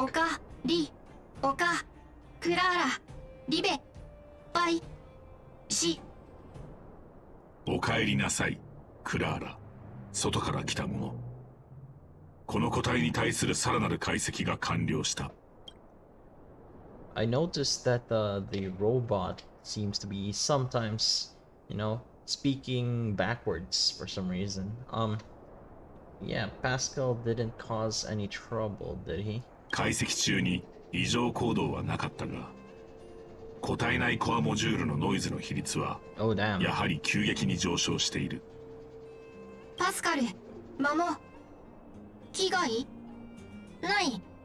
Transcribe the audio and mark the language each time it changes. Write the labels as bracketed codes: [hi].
[ja] オカ、リ、オカ、クララ、リベ、バイ。おかえりなさい、クラーラ。外から来たもの。この個体に対するさらなる解析が完了した。 [en] I noticed that the robot seems to be sometimes, you know, speaking backwards for some reason. Yeah, Pascal didn't cause any trouble, did he? [ja] 解析中に異常行動はなかったが。個体内コアモジュールのノイズの比率は、 [en] oh, damn. [ja] やはり急激に上昇している。パスカル、マモ、危害ない。